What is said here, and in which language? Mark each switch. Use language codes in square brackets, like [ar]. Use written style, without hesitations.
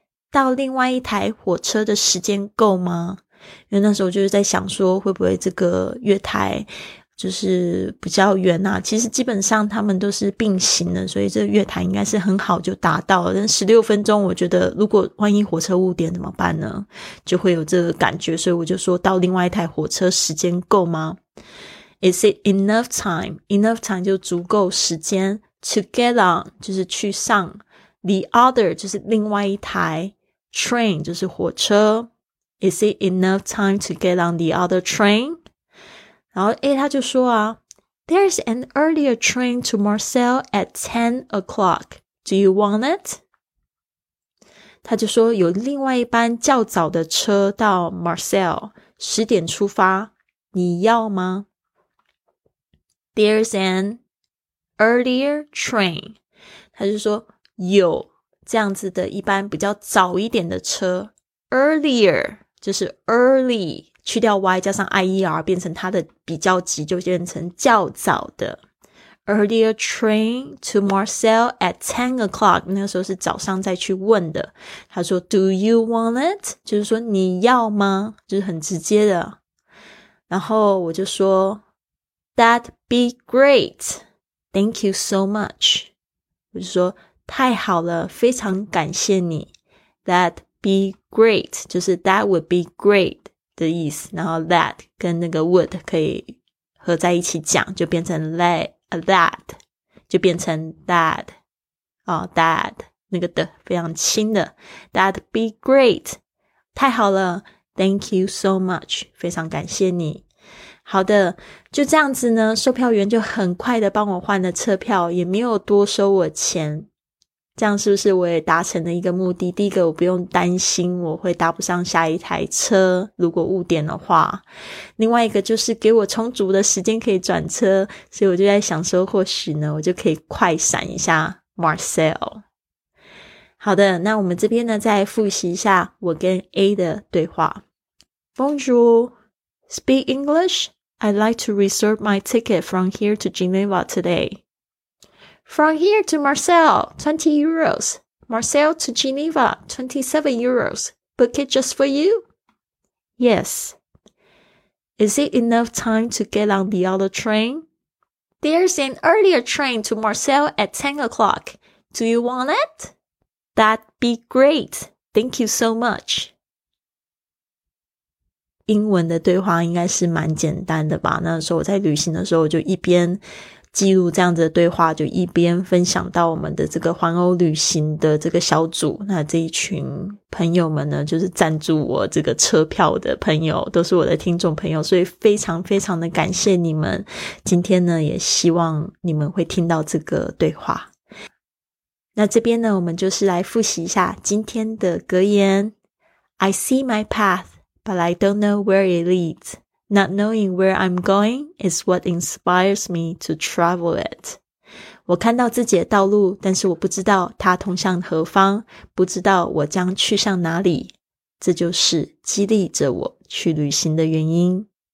[zh] 到另外一台火车的时间够吗？因为那时候就是在想说会不会这个月台就是比较远啊，其实基本上他们都是并行的，所以这个月台应该是很好就达到了，但16分钟我觉得如果万一火车误点怎么办呢，就会有这个感觉，所以我就说到另外一台火车时间够吗？ [en] Is it enough time? Enough time [zh] 就足够时间， [en] To get on [zh] 就是去上 [en] The other [zh] 就是另外一台 [en] Train [zh] 就是火车。 [en] Is it enough time to get on the other train? [zh] 然后 A 他就说啊 [en] There's an earlier train to Marseille at 10 o'clock. Do you want it? [zh] 他就说有另外一班较早的车到 Marseille 10点出发，你要吗？ [en] There's anEarlier train， [zh] 他就说有这样子的一般比较早一点的车。 Earlier 就是 early， 去掉 y 加上 ier 变成它的比较级，就变成较早的。 [en] Earlier train to Marseille at 10 o'clock， [zh] 那个时候是早上再去问的。他说 [en] Do you want it？ [zh] 就是说你要吗？就是很直接的。然后我就说 [en] That'd be great。 Thank you so much. [zh] 我就说太好了，非常感谢你。 That'd be great 就是 [en] that would be great [zh] 的意思，然后 that 跟那个 would 可以合在一起讲，就变成 that 就变成 that、oh, that 那个的非常轻的 That'd be great， 太好了。 [en] Thank you so much， [zh] 非常感谢你。好的，就这样子呢，售票员就很快的帮我换了车票，也没有多收我钱。这样是不是我也达成了一个目的？第一个，我不用担心我会搭不上下一台车，如果误点的话。另外一个就是给我充足的时间可以转车，所以我就在想说，或许呢，我就可以快闪一下 Marseille。好的，那我们这边呢，再复习一下我跟 A 的对话。 [en] Bonjour。 Speak English? I'd like to reserve my ticket from here to Geneva today. From here to Marseille, 20 euros. Marcel to Geneva, 27 euros. Book it just for you? Yes. Is it enough time to get on the other train? There's an earlier train to Marcel at 10 o'clock. Do you want it? That'd be great. Thank you so much. [zh] 英文的对话应该是蛮简单的吧？那时候我在旅行的时候，就一边记录这样子的对话，就一边分享到我们的这个环欧旅行的这个小组。那这一群朋友们呢，就是赞助我这个车票的朋友，都是我的听众朋友，所以非常非常的感谢你们。今天呢，也希望你们会听到这个对话。那这边呢，我们就是来复习一下今天的格言。 [en] I see my path, but I don't know where it leads. Not knowing where I'm going is what inspires me to travel it. [zh] 我看到自己的道路，但是我不知道它通向何方，不知道我将去向哪里。这就是激励着我去旅行的原因。